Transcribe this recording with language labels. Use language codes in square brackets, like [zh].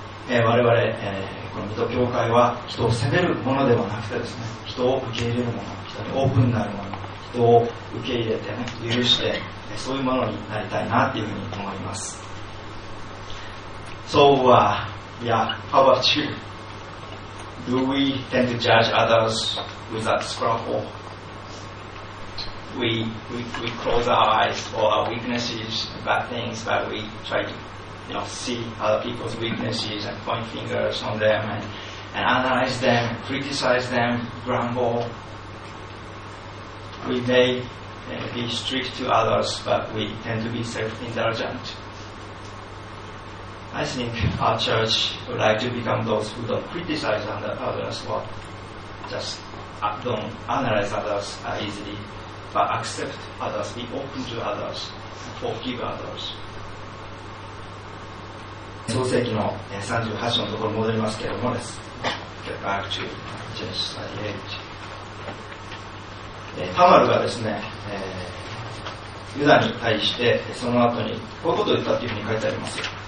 [ja] 我々、この水戸教会は人を責めるものではなくてですね、人を受け入れるもの、人にオープンになるもの、人を受け入れてね、許して、そういうものになりたいなっていうふうに思います。 [en] So, yeah, how about you? Do we tend to judge others with that scruffle? We close our eyes for our weaknesses, the bad things that we try toYou know, see other people's weaknesses and point fingers on them and analyze them, criticize them, grumble. We may be strict to others, but we tend to be self-indulgent. I think our church would like to become those who don't criticize others, or just don't analyze others easily, but accept others, be open to others, forgive others. [ja] 創世記の38章のところに戻りますけれどもです。 [en] Get back to Genesis 38。 [ja] タマルがですね、ユダに対してその後にこういうことを言ったというふうに書いてあります。